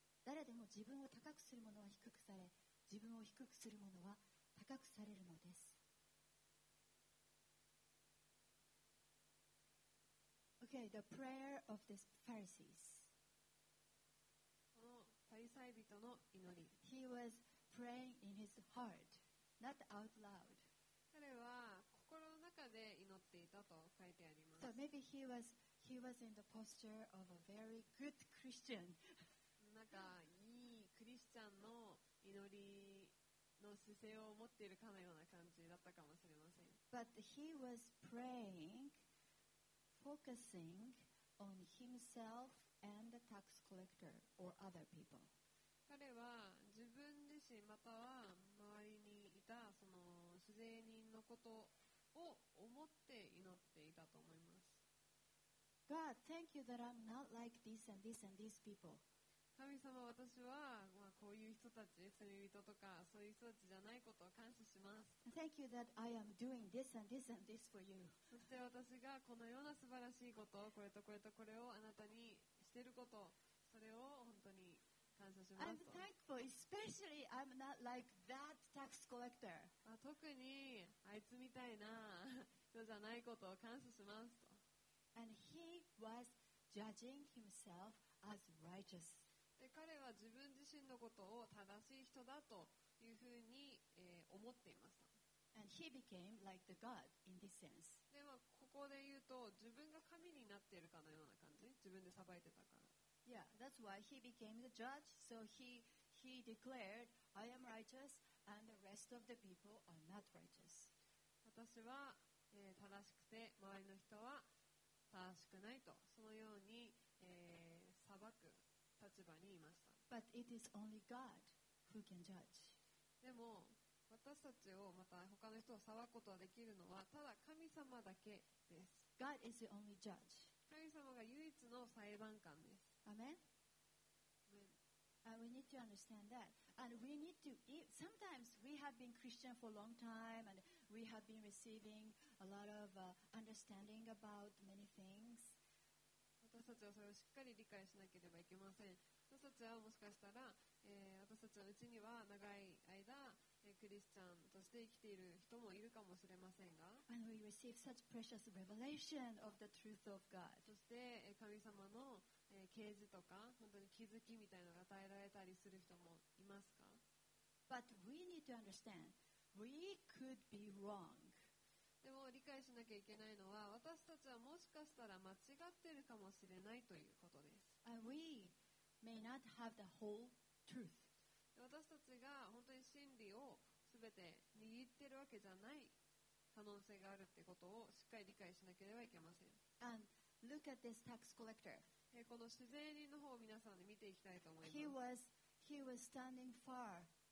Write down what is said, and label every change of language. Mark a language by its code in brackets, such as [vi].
[ja] 誰でも自分を高くする者は低くされ、自分を低くする者は高くされるのです。 [en] Okay, the prayer of the Pharisees. [ja] このパリサイ人の祈り。 [en] He was praying in his heart, not out loud. [ja] 彼は心の中で祈っていたと書いてあります。 [en] So maybe he was in the posture of a very good Christian. [ja] なんかいいクリスチャンの祈りの姿勢を持っているかのような感じだったかもしれません。 [en] But he was praying. Focusing on himself and the tax collector or other people. [ja] 彼は自分自身または周りにいたその主税人のことを思って祈っていたと思います。 [en] God, thank you that I'm not like this and this and these people. [ja] 神様、私はまあこういう人たち、罪人とかそういう人たちじゃないことを感謝します。 [en] Thank you that I am doing this and this and this for you. [ja] そして私がこのような素晴らしいことを、これとこれとこれをあなたにしていること、それを本当に感謝しますと。 [en] I'm thankful, especially I'm not like that tax collector. [ja] 特にあいつみたいな人じゃないことを感謝しますと。 [en] And he was judging himself as righteous. [ja] で彼は自分自身のことを正しい人だというふうに、思っていました。 [en] And he became like the God in this sense. [ja] で、まあ、ここで言うと自分が神になっているかのような感じ、自分で裁いてたから。 [en] Yeah, that's why he became the judge. So he declared, I am righteous and the rest of the people are not righteous. [ja] 私は、正しくて周りの人は正しくないと、そのように、裁く。立場にいました。 [en] But it is only God who can judge. [ja] でも私たちをまた他の人を裁くことができるのはただ神様だけです。 [en] God is the only judge. [ja] 神様が唯一の裁判官です。 [en] Amen? Amen. And we need to understand that. And we need to eat. Sometimes we have been Christian for a long time and we have been receiving a lot of understanding about many things. [ja] 私たちはそれをしっかり理解しなければいけません。私たちはもしかしたら、私たちのうちには長い間、クリスチャンとして生きている人もいるかもしれませんが、 [en] And we receive such precious revelation of the truth of God. [ja] そして、神様の、啓示とか、本当に気づきみたいなのが与えられたりする人もいますか? [en] But we need to understand, we could be wrong. [ja] でも理解しなきゃいけないのは私たちはもしかしたら間違ってるかもしれないということです。 [en] And we may not have the whole truth. [ja] 私たちが本当に真理を全て握ってるわけじゃない可能性があるってことをしっかり理解しなければいけません。 [en] And look at this tax collector. [ja] この主税人の方を皆さんで見ていきたいと思います。 [en] He was standing far.